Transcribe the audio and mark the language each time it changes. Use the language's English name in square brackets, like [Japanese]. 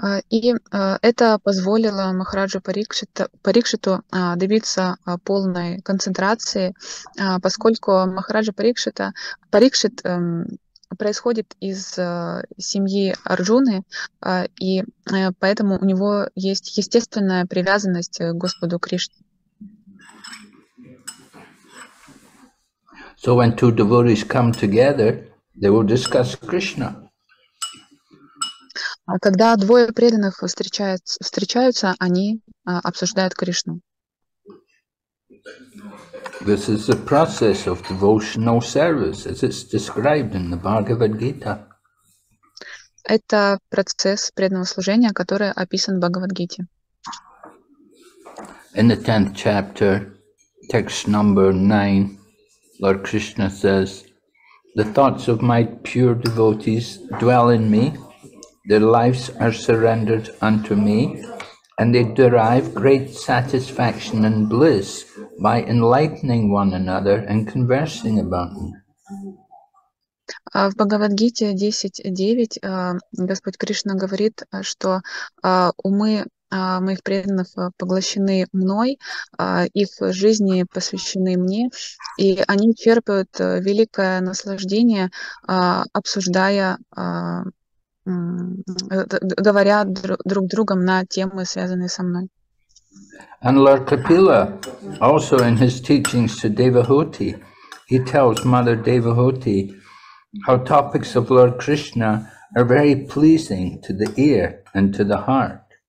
[Russian] И это позволило Махараджу Парикшиту добиться полной концентрации, поскольку Махараджа Парикшит происходит из семьи Арджуны, и поэтому у него есть естественная привязанность к Господу Кришне. [English] So when two devotees come together, they will discuss Krishna. [Russian] А когда двое преданных встречаются, они обсуждают Кришну. [English] This is the process of devotional service, as it's described in the Bhagavad Gita. [Russian] Это процесс преданного служения, который описан в Бхагавад-гите. [English] In the 10th chapter, text number 9, Lord Krishna says, "The thoughts of my pure devotees dwell in me. Their lives are surrendered unto me, and they derive great satisfaction and bliss by enlightening one another and conversing about me." [Russian] В Бхагавад-гите 10.9 Господь Кришна говорит, что умы моих преданных поглощены мной, их жизни посвящены мне, и они черпают великое наслаждение, обсуждая, говоря друг другом на темы, связанные со мной. [English] And Lord Kapila, also in his teachings to Devahuti, he tells Mother Devahuti how topics of Lord Krishna are very pleasing to the ear and to the heart.